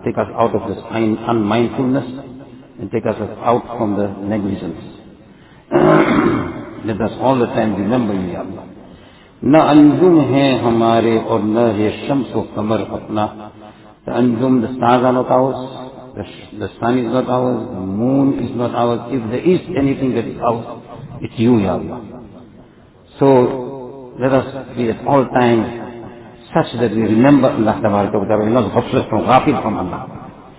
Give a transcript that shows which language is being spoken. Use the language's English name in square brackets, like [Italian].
[English] Take us out of this unmindfulness and take us out from the negligence. Let us all the time remember you, ya Allah. [Urdu] نہ انجم ہے ہمارے اور نہ ہے شمس و قمر اپنا. [English] The anjum, the stars are not ours, the sun is not ours, the moon is not ours. If there is anything that is ours, it's you, Ya Allah. So, let us be at all times such that we remember Allah Tabaraka wa Ta'ala, not ghaflat from ghafil from Allah.